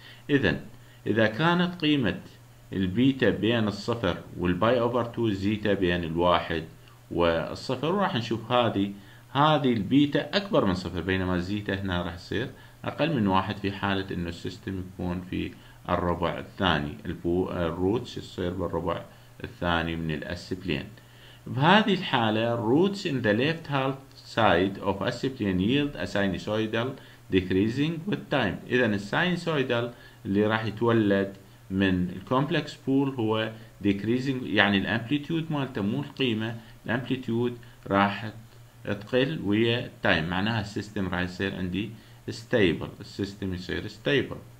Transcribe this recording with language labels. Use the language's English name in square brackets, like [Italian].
[Arabic] إذن إذا كانت قيمة البيتا بين الصفر والباي اوفر 2، زيتا بين الواحد والصفر، وراح نشوف هذه البيتا اكبر من صفر، بينما الزيتا هنا راح يصير اقل من واحد في حالة انه السيستم يكون في الربع الثاني، الروتس يصير بالربع الثاني من الاسبلين. بهذه الحالة الروتس [English] in the left half side of s plane yield a sinusoidal decreasing with time. [Arabic] اذا السينوسويدال اللي راح يتولد من الكومبلكس بول هو decreasing، يعني الامبليتود مالته مو القيمة، الامبليتود راح تقل ويا تايم، معناها السيستم راح يصير عندي stable، السيستم يصير stable.